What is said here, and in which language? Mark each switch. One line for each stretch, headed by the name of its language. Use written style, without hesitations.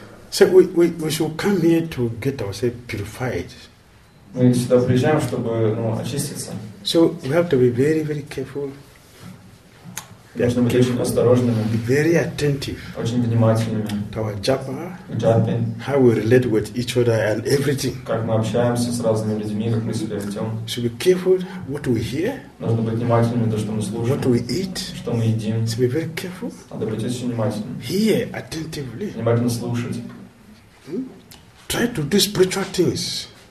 English: So we should come here to get ourselves purified.
Russian: Мы сюда приезжаем, чтобы очиститься.
English: So we have to be very, very careful.
Russian: Нужно быть очень осторожными.
English: Be very attentive.
Russian: Очень внимательными.
English: To our japa.
Russian: Japa.
English: How we relate with each other and everything.
Russian: Как мы общаемся с разными людьми, как мы себя ведем.
English: Should be careful what we hear.
Russian: Нужно быть внимательными то, что мы слушаем.
English: What we eat.
Russian: Что мы едим.
English: Should be very careful.
Russian: Надо быть очень внимательным.
English: Hear attentively.
Russian: Внимательно слушать.
English: Try to do spiritual things.